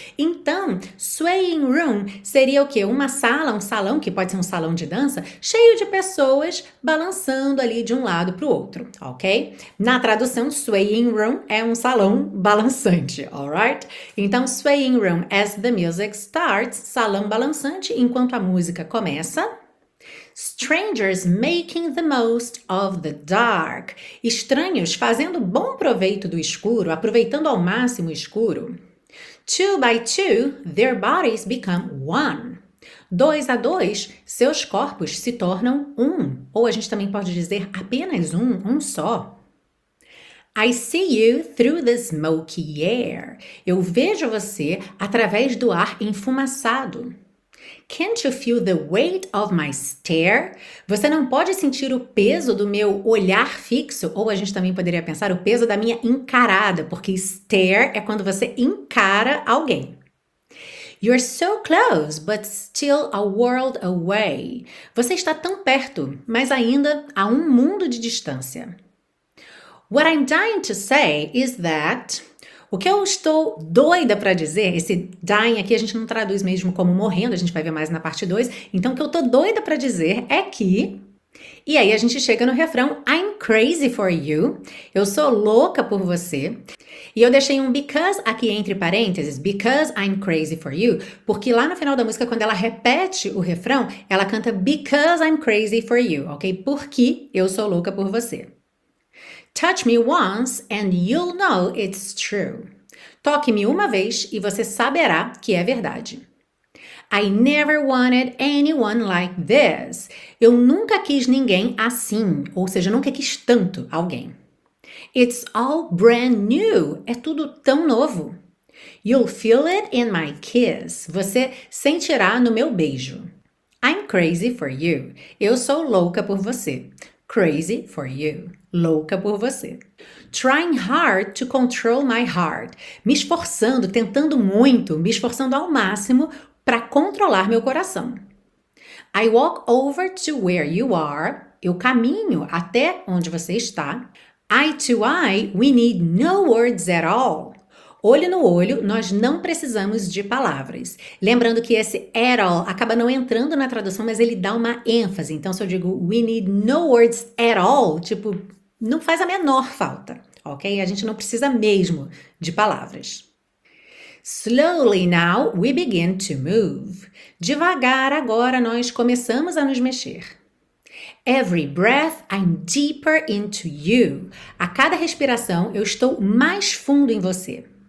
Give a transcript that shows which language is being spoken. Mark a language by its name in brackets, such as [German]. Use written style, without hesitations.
[Portuguese] Então, swaying room seria o quê? Uma sala, um salão, que pode ser um salão de dança, cheio de pessoas balançando ali de um lado para o outro, ok? Na tradução, swaying room é um salão balançante, alright? Então, [English] swaying room as the music starts, [Portuguese] salão balançante enquanto a música começa. [English] Strangers making the most of the dark. [Portuguese] Estranhos fazendo bom proveito do escuro, aproveitando ao máximo o escuro. [English] Two by two, their bodies become one. [Portuguese] Dois a dois, seus corpos se tornam um. Ou a gente também pode dizer apenas um, um só. [English] I see you through the smoky air. [Portuguese] Eu vejo você através do ar enfumaçado. [English] Can't you feel the weight of my stare? [Portuguese] Você não pode sentir o peso do meu olhar fixo, ou a gente também poderia pensar o peso da minha encarada, porque stare é quando você encara alguém. [English] You're so close, but still a world away. [Portuguese] Você está tão perto, mas ainda há um mundo de distância. [English] What I'm dying to say is that. [Portuguese] O que eu estou doida para dizer, esse dying aqui a gente não traduz mesmo como morrendo, a gente vai ver mais na parte 2. Então, o que eu estou doida para dizer é que. E aí a gente chega no refrão: [English] I'm crazy for you. [Portuguese] Eu sou louca por você. E eu deixei um because aqui entre parênteses, [English] because I'm crazy for you, [Portuguese] porque lá no final da música, quando ela repete o refrão, ela canta because I'm crazy for you, ok? Porque eu sou louca por você. [English] Touch me once and you'll know it's true. [Portuguese] Toque-me uma vez e você saberá que é verdade. [English] I never wanted anyone like this. [Portuguese] Eu nunca quis ninguém assim, ou seja, nunca quis tanto alguém. [English] It's all brand new. [Portuguese] É tudo tão novo. [English] You'll feel it in my kiss. [Portuguese] Você sentirá no meu beijo. [English] I'm crazy for you. [Portuguese] Eu sou louca por você. [English] Crazy for you. [Portuguese] louca por você. [English] Trying hard to control my heart. [Portuguese] Me esforçando, tentando muito, me esforçando ao máximo para controlar meu coração. [English] I walk over to where you are. [Portuguese] Eu caminho até onde você está. [English] Eye to eye, we need no words at all. [Portuguese] Olho no olho, nós não precisamos de palavras. Lembrando que esse at all acaba não entrando na tradução, mas ele dá uma ênfase. Então, se eu digo [English] we need no words at all, [Portuguese] tipo, não faz a menor falta, ok? A gente não precisa mesmo de palavras. [English] Slowly now, we begin to move. [Portuguese] Devagar, agora nós começamos a nos mexer. [English] Every breath, I'm deeper into you. [Portuguese] A cada respiração, eu estou mais fundo em você.